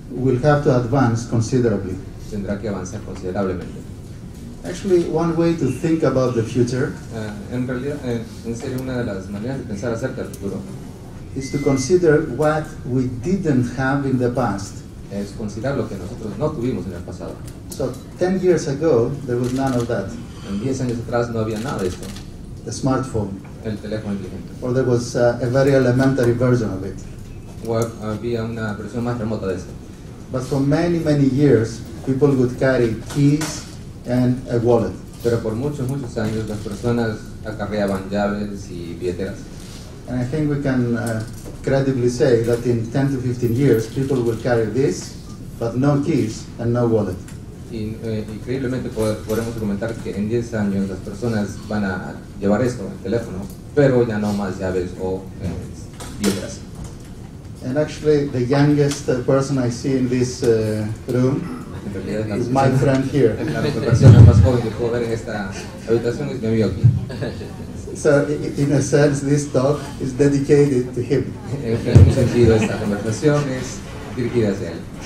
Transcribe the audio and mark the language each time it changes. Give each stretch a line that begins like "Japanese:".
English: Will have to advance considerably.
Spanish: Tendrá que avanzar considerablemente.
English: Actually, one way to think about the future.
Spanish: En realidad, en serio, una de las maneras de pensar acerca del futuro.
English: Is to consider what we didn't have in the past.
Spanish: Es considerar lo que nosotros no tuvimos en el pasado.
English: So 10 years ago, there was none of that.
Spanish: En 10 años atrás no había nada de esto.
English: The smartphone.
Spanish: El teléfono inteligente.
English: Or there was a very elementary version of it.
Spanish: O había una versión más remota de esto.
English: But for many, many years, people would carry keys and a wallet.
Spanish: Pero por muchos, muchos años, las personas acarreaban llaves y billeteras.
English: And I think we can credibly say that in 10 to 15 years, people will carry this, but no keys and no wallet.
Spanish: Increíblemente podemos comentar que en 10 años las personas van a llevar esto, el teléfono, pero ya no más llaves o billeteras.
English: And actually, the youngest person I see in this room is my friend here.
Spanish: La persona más joven que puedo ver en esta habitación es mi amigo aquí.
English: So, in a sense, this talk is dedicated to him.
Spanish: En un sentido, esta conversación es dirigida hacia él.